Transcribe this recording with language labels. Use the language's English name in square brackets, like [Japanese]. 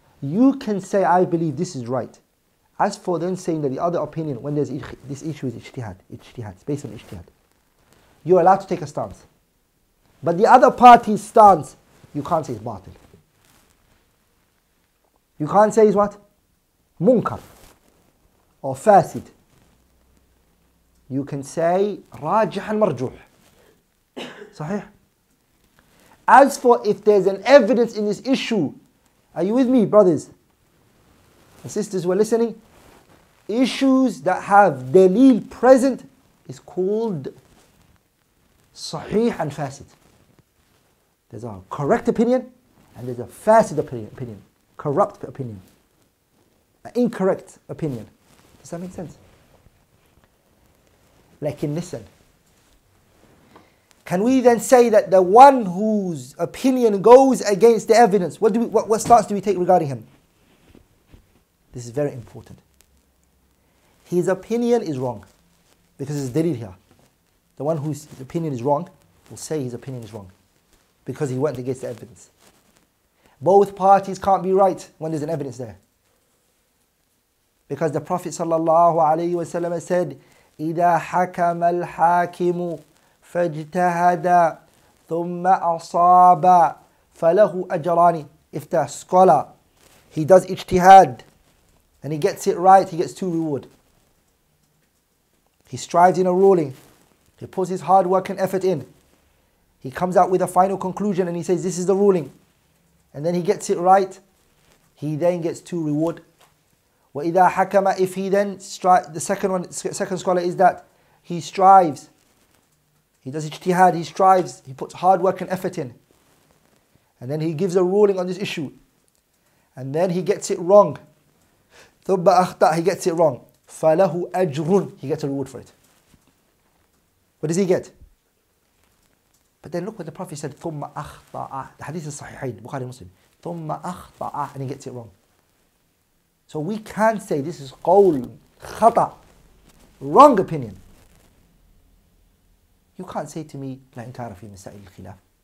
[English] You can say, I believe this is right. As for then saying that the other opinion, when there's this issue is ijtihad, it's based on ijtihad. You're allowed to take a stance. But the other party's stance, you can't say it's batil. You can't say it's what? Munkar. Or fasid. You can say [Arabic] راجح المرجوح. صحيح. [English] As for if there's an evidence in this issue, are you with me, brothers and sisters who are listening? Issues that have دليل present is called صحيح and فاسد. There's a correct opinion and there's a فاسد opinion, corrupt opinion, an incorrect opinion. Does that make sense? [Arabic] لكن [English] listen. Can we then say that the one whose opinion goes against the evidence, what stance do we take regarding him? This is very important. His opinion is wrong, because there's dalil here. The one whose opinion is wrong will say his opinion is wrong, because he went against the evidence. Both parties can't be right when there's an evidence there. Because the Prophet ﷺ said, [Arabic] إِذَا حَكَمَ الْحَاكِمُ فاجتهد ثم أصاب فله أجراني. [English] If the scholar, he does ijtihad and he gets it right, he gets two reward. He strives in a ruling, he puts his hard work and effort in, he comes out with a final conclusion and he says this is the ruling, and then he gets it right, he then gets two reward. [Arabic] وإذا حكم, [English] if he then strives, the second scholar is that he strives, he does ijtihad, he strives, he puts hard work and effort in, and then he gives a ruling on this issue, and then he gets it wrong. [Arabic] ثُبَّ أَخْطَأَ, [English] he gets it wrong. [Arabic] فَلَهُ أَجْرٌ, [English] he gets a reward for it. What does he get? But then look what the Prophet said, [Arabic] ثُمَّ أَخْطَأَ. [English] The hadith is Sahihain, Bukhari Muslim. [Arabic] ثُمَّ أَخْطَأَ, [English] and he gets it wrong. So we can say this is [Arabic] قول خطأ, [English] wrong opinion. You can't say to me, [Arabic] لا إنكار في مسائل الخلاف.